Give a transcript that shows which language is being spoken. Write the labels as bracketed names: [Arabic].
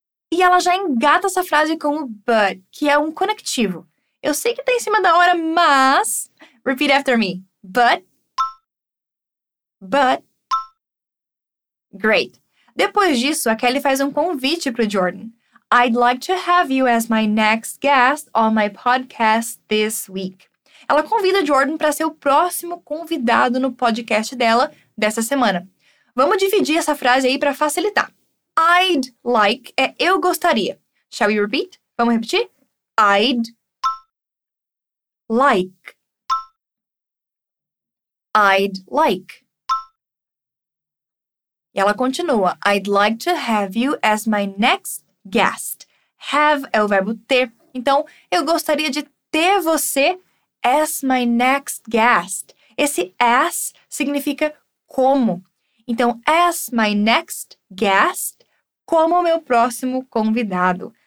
[Portuguese] E ela já engata essa frase com o but, que é um conectivo. Eu sei que tá em cima da hora, mas... [English] Repeat after me. But. But. Great. [Portuguese] Depois disso, a Kelly faz um convite pro Jordan. [English] I'd like to have you as my next guest on my podcast this week. [Portuguese] Ela convida Jordan para ser o próximo convidado no podcast dela dessa semana. Vamos dividir essa frase aí para facilitar. [English] I'd like [Portuguese] é eu gostaria. [English] Shall we repeat? [Portuguese] Vamos repetir? [English] I'd like. I'd like. [Portuguese] E ela continua. [English] I'd like to have you as my next guest. [Portuguese] Have é o verbo ter. Então, eu gostaria de ter você [English] as my next guest. [Portuguese] Esse as significa como. Então, [English] as my next guest, [Portuguese] como meu próximo convidado.